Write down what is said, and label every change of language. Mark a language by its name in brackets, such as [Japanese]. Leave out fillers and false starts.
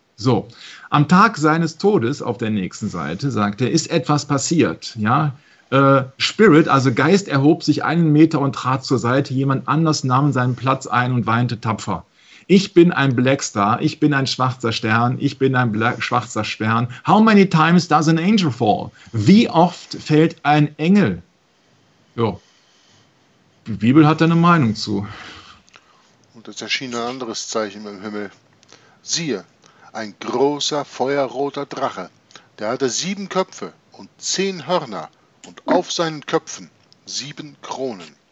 [German] So, am Tag seines Todes, auf der nächsten Seite, sagt er, ist etwas passiert. Ja? Spirit, also Geist, erhob sich einen Meter und trat zur Seite. Jemand anders nahm seinen Platz ein und weinte tapfer. Ich bin ein Black Star, ich bin ein schwarzer Stern, ich bin ein schwarzer Stern. [English] How many times does an angel fall? [German] Wie oft fällt ein Engel? Ja, die Bibel hat da eine Meinung zu. Und es erschien ein anderes Zeichen im Himmel. Siehe, ein großer feuerroter Drache, der hatte 7 Köpfe und 10 Hörner und auf seinen Köpfen 7 Kronen.